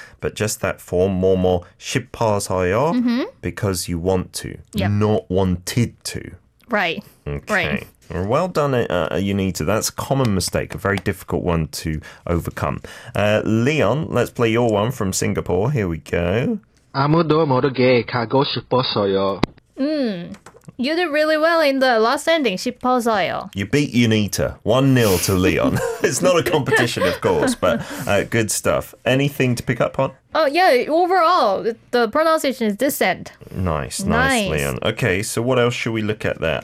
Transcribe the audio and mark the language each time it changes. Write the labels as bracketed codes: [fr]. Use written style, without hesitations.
[en] But just that form, [ko] 뭐뭐 싶어서요, [en] because you want to, not wanted to. Right. Okay. Right. Well done, Yunita. That's a common mistake, a very difficult one to overcome. Leon, let's play your one from Singapore. Here we go. [ko] 아무도 모르게 가고 싶었어요. [en] You did really well in the last ending, 싶어서요. You beat Yunita. 1-0 to Leon. It's not a competition, of course, but good stuff. Anything to pick up on? Oh, yeah, overall, the pronunciation is decent. Nice, nice, Leon. Okay, so what else should we look at there?